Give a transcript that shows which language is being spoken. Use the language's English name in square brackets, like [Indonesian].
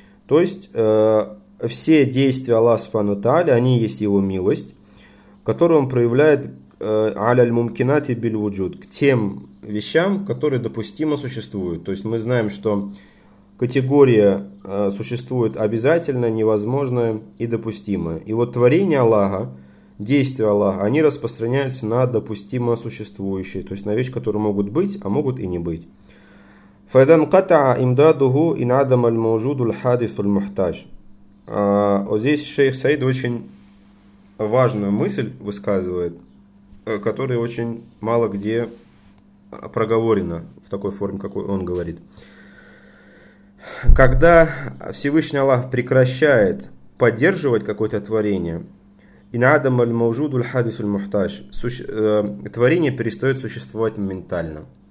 [Russian] То есть все действия Аллаха Субхану Тааля, они есть Его милость, которую Он проявляет [Arabic] عَلَى الْمُمْكِنَاتِ بِالْوُجُودِ. [Russian] К тем вещам, которые допустимо существуют. То есть мы знаем, что категория существует обязательно, невозможная и допустимая. И вот творение Аллаха, действия Аллаха, они распространяются на допустимо существующие. То есть на вещи, которые могут быть, а могут и не быть. [Arabic] فَإِذَنْ قَتَعَ إِمْدَادُهُ إِنْعَدَمَ الْمَوْجُودُ الْحَادِثُ الْمُحْتَاجِ. [Russian] Вот здесь шейх Саид очень важную мысль высказывает, которая очень мало где проговорена в такой форме, какой он говорит. Когда Всевышний Аллах прекращает поддерживать какое-то творение, [Arabic] инадам аль-мавжуд аль-хадис аль-мухтаж, [Russian] творение перестает существовать моментально.